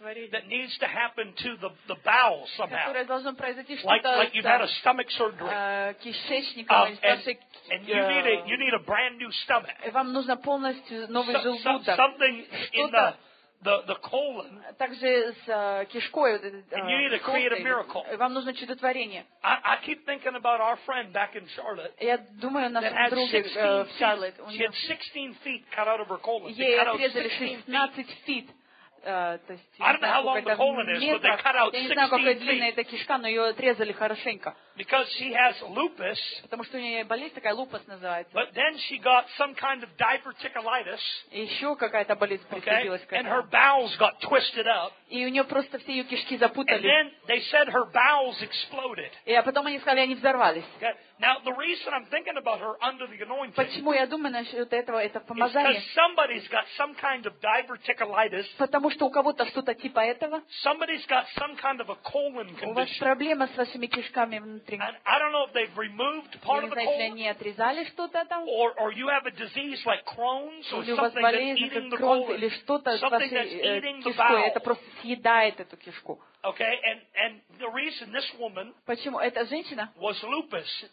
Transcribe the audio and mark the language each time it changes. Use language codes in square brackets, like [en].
[en] That needs to happen to the bowels somehow. [ru] Которое должно произойти что-то. [en] Like you've had a stomach surgery. [ru] Кишечником. [en] And you need a brand new stomach. [ru] Вам нужно полностью новый желудок. [en] Something in the colon. [ru] Также с кишкой. [en] And you need a creative miracle. [ru] Вам нужно чудотворение. [en] I keep thinking about our friend back in Charlotte. [ru] Я думаю о нашем друге в Charlotte. [en] She had 16 feet cut out of her colon. [ru] Ей отрезали 16 feet. То есть, [en] I don't know how long the colon is, but they cut out 16 feet. [ru] Я не знаю, какая длинная эта кишка, но ее отрезали хорошенько. [en] Because she has lupus. [ru] Потому что у нее болезнь такая, лупус называется. [en] But then she got some kind of diverticulitis. [ru] Еще какая-то болезнь приключилась к этому. [en] And her bowels got twisted up. [ru] И у нее просто все ее кишки запутались. [en] And then they said her bowels exploded. [ru] И а потом они сказали, они взорвались. [en] Now the reason I'm thinking about her under the anointing. [ru] Почему я думаю насчет этого, это помазание? [en] Because somebody's got some kind of diverticulitis. [ru] Потому что у кого-то что-то типа этого. [en] Somebody's got some kind of a colon condition. [ru] У вас проблема с вашими кишками. [en] And I don't know if they've removed part of the colon, or you have a disease like Crohn's, or something that's eating the colon, something that's eating the bowel. Okay, and the reason this woman was lupus.